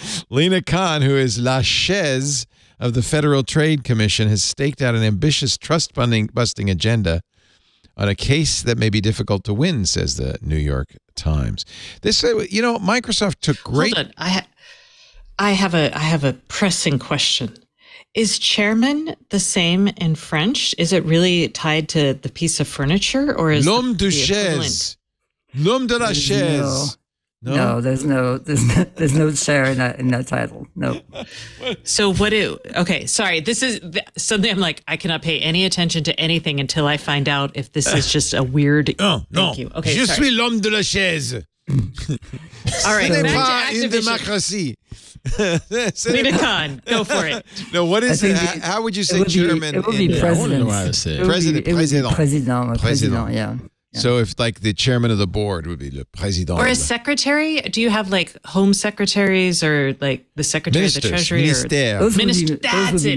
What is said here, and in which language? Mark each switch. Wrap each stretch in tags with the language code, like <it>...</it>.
<en>Lina Khan, who is</en> <fr>la chaise</fr> <en>of the Federal Trade Commission, has staked out an ambitious trust-busting agenda on a case that may be difficult to win, says the New York Times. This, you know, Microsoft took great. Hold on. I have a pressing question. Is chairman the same in French? Is it really tied to the piece of furniture, or is</en> <fr>l'homme de chaise, l'homme de la chaise?</fr> <en>No, there's no chair in that title. Nope. So what do? Okay, sorry. This is something I'm like, I cannot pay any attention to anything until I find out if this is just a weird. Oh, no. Thank you.</en> <fr>Okay, je suis l'homme de la chaise.</fr> <en>All right.</en> <fr>C'est pas une démocratie.</fr> <en>Lina Khan, go for it. No, what is it? How would you say chairman? It would be president. President. President. Yeah. So if like the chairman of the board would be the president. Or a secretary? Do you have like home secretaries or like the secretary ministers, of the treasury?</en>